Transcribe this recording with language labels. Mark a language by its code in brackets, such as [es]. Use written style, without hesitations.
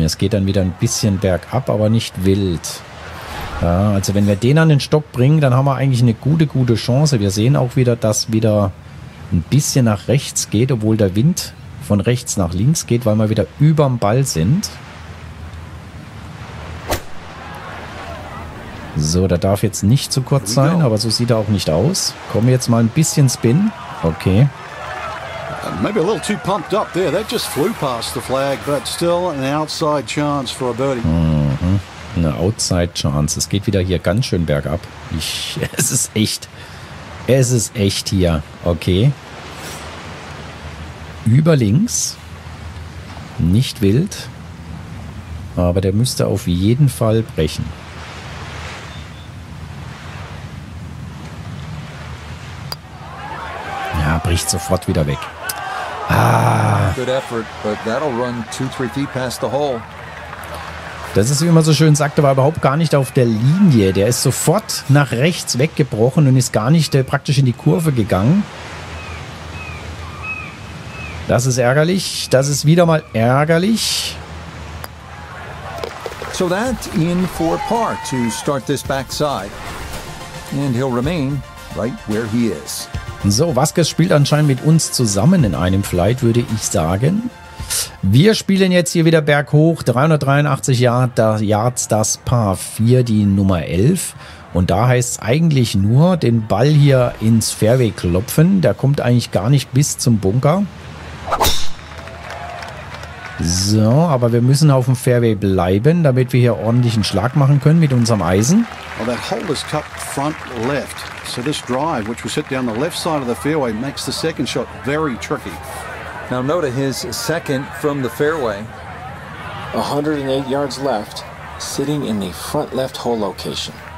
[de] Es geht dann wieder ein bisschen bergab, aber nicht wild. Ja, also wenn wir den an den Stock bringen, dann haben wir eigentlich eine gute Chance. Wir sehen auch wieder, dass wieder ein bisschen nach rechts geht, obwohl der Wind von rechts nach links geht, weil wir wieder überm Ball sind. So, der darf jetzt nicht zu kurz sein, aber so sieht er auch nicht aus. Komm jetzt mal ein bisschen Spin. Okay. [en] Maybe a little too pumped up there. That just flew past the flag, but still an outside chance for a birdie. [de] Eine [en] outside chance. [de] Es geht wieder hier ganz schön bergab. Es ist echt hier. Okay. Über links. Nicht wild. Aber der müsste auf jeden Fall brechen. Ja, bricht sofort wieder weg. Good effort, but that'll run 2-3 feet past the hole. Das ist, wie man so schön sagt, er war überhaupt gar nicht auf der Linie. Der ist sofort nach rechts weggebrochen und ist gar nicht praktisch in die Kurve gegangen. Das ist ärgerlich. Das ist wieder mal ärgerlich. [en] So that in for par to start this backside. And he'll remain right where he is. [de] So, Vasquez spielt anscheinend mit uns zusammen in einem Flight, würde ich sagen. Wir spielen jetzt hier wieder berghoch, 383 Yards, das Par 4, die Nummer 11. Und da heißt es eigentlich nur, den Ball hier ins Fairway klopfen. Der kommt eigentlich gar nicht bis zum Bunker. So, aber wir müssen auf dem Fairway bleiben, damit wir hier ordentlichen Schlag machen können mit unserem Eisen. [en] Well, that hole is cut front left. So this drive, which was hit down the left side of the fairway, makes the second shot very tricky. Now note his second from the fairway. 108 yards left, sitting in the front left hole location.